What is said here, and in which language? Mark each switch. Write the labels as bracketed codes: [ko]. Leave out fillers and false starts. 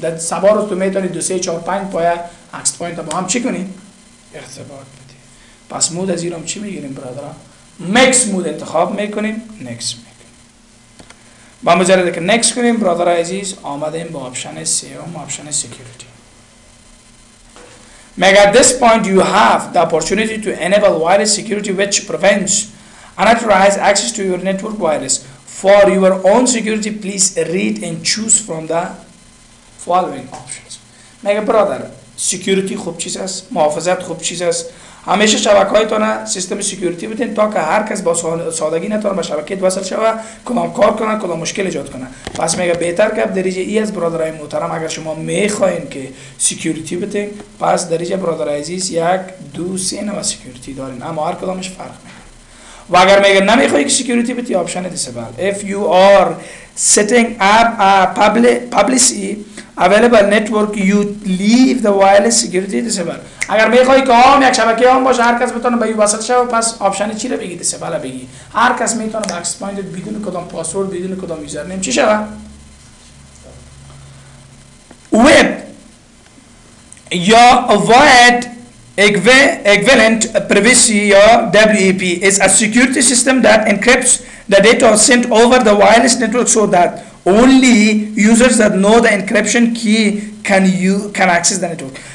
[fa] در سبا رو تو میتونی 2 3 4 5 پای اکس پوینت ها با هم چی کنیم؟ ارتباط بدی. پس مود از ایرام چی میگیریم برادرا؟ میکس مود انتخاب میکنیم، نکس میکنیم. با مجرد که نکس کنیم برادر عزیز آمدیم با آپشن 3 و آپشن سکیوریتی. [en] Mega, at this point, you have the opportunity to enable wireless security, which prevents unauthorized access to your network wireless. For your own security, please read and choose from the following options. Mega brother, [fa] security خوب چیز است، محافظت خوب چیز است. همیشه شبکه‌های تو نه سیستم سکیوریتی بدین تا که هر کس با سادگی نتونه با شبکه وصل شوه، کدام کار کنه، کدام مشکل ایجاد کنه. پس میگه بهتر که دریجه ای از برادرای محترم اگر شما میخواین که سکیوریتی بدین، پس دریجه برادر عزیز یک دو سه نو سکیوریتی دارین، اما هر کدامش فرق میکنه. و اگر میگه نمیخوای که سکیوریتی بدی، آپشن دیسبل. If you are setting up a publicly available network, you leave the wireless security disabled. اگر میخوای که عام یک شبکه عام باشه هر کس بتونه به یو وصل شه، پس آپشن چی رو بگی؟ دیسبل بگی. هر کس میتونه با اکسس پوینت بدون کدام پاسورد، بدون کدام یوزر نیم چی شه؟ وب یا وایت [en] equivalent privacy or WEP is a security system that encrypts the data sent over the wireless network so that only users that know the encryption key can access the network.